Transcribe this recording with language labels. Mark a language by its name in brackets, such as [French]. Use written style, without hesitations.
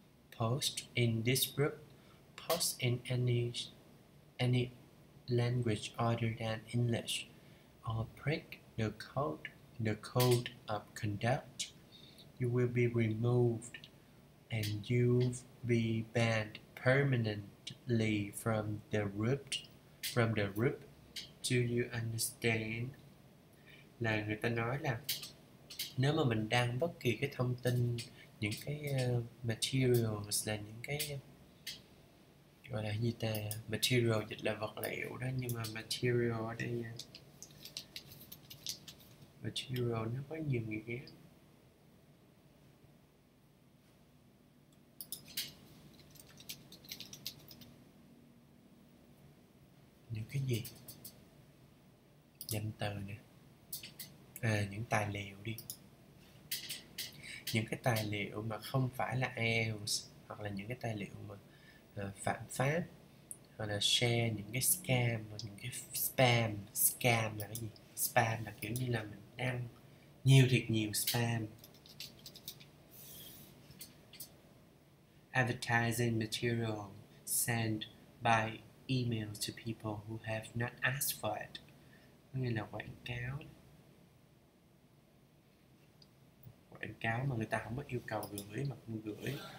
[English] post in this group, post in any language other than English, or break the code of conduct, you will be removed and you'll be banned permanently from the group. Do you understand? [Vietnamese] Là người ta nói là nếu mà mình đăng bất kỳ cái thông tin, những cái materials, là những cái gọi là gì ta, material dịch là vật liệu đó, nhưng mà material ở đây nha, material nó có nhiều nghĩa. Những cái gì? Danh từ nè. À, những tài liệu đi. Những cái tài liệu mà không phải là IELTS, hoặc là những cái tài liệu mà phạm pháp, hoặc là share những cái scam, hoặc những cái spam. Scam là cái gì? Spam là kiểu như là mình đăng nhiều thiệt nhiều spam. [English] Advertising material sent by email to people who have not asked for it. [Vietnamese] Nghĩa là quảng cáo. Quảng cáo mà người ta không có yêu cầu gửi mà không gửi.